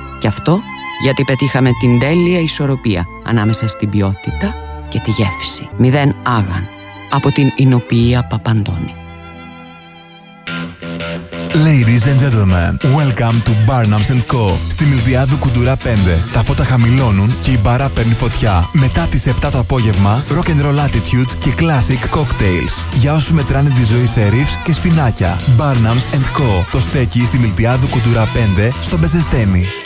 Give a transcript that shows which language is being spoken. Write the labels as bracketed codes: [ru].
[el] Και αυτό γιατί πετύχαμε την τέλεια ισορροπία ανάμεσα στην ποιότητα και τη γεύση. Μηδέν άγαν. Από την Ινοποιία Παπαντώνη. [en] Ladies and gentlemen, welcome to Barnums & Co. [el] Στη Μιλτιάδου Κουντούρα 5. Τα φώτα χαμηλώνουν και η μπάρα παίρνει φωτιά. Μετά τις 7 το απόγευμα, [en] rock and roll attitude [el] και classic cocktails. Για όσους μετράνε τη ζωή σε ρίφς και σπινάκια. Barnums & Co. Το στέκει στη Μιλτιάδου Κουντούρα 5 στο Μπεζεστένι.